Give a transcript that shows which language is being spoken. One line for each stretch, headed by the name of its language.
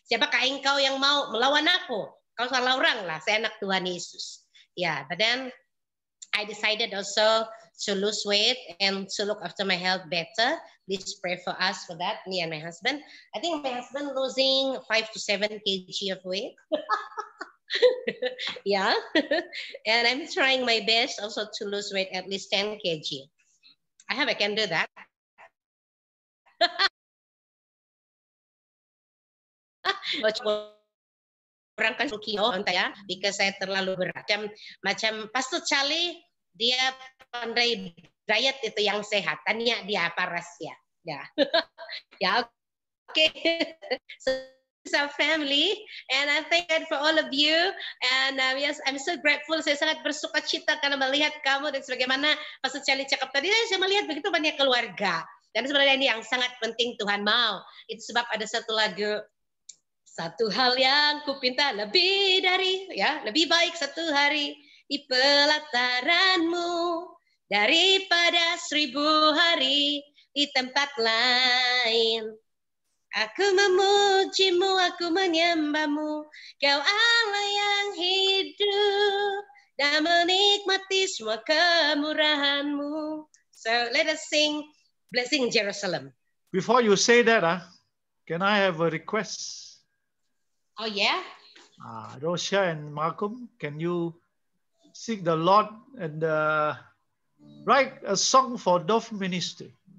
Indonesian: Siapakah engkau yang mau melawan aku? Kau salah orang lah. Saya anak Tuhan Yesus.
English: Yeah, but then I decided also to lose weight and to look after my health better. Please pray for us for that, me and my husband. I think my husband losing 5 to 7 kg of weight. Yeah, and I'm trying my best also to lose weight at least 10 kg. I can do that.
Indonesian: Orang kan suki nonton ya, because saya terlalu berat. Macam Pastor Charlie, dia pandai diet itu yang sehat. Tanya dia apa rahasia. Ya, ya, okay.
English: So, this is our family, and I thank God for all of you. And yes, I'm so grateful.
Indonesian: Saya sangat bersuka cita karena melihat kamu dan sebagaimana Pastor Charlie cakap tadi, saya melihat begitu banyak keluarga. Dan sebenarnya ini yang sangat penting Tuhan mau. Itu sebab ada satu lagu. Satu hal yang kupinta lebih dari, ya, lebih baik satu hari di pelataranmu daripada 1000 hari di tempat lain. Aku memujimu, aku menyembahmu, kau Allah yang hidup dan menikmati semua kemurahanmu.
English: So let us sing Blessing Jerusalem. Before you say that, can I have a request? Oh yeah. Rosha and Malcolm, can you seek the Lord and write a song for Dove Ministry?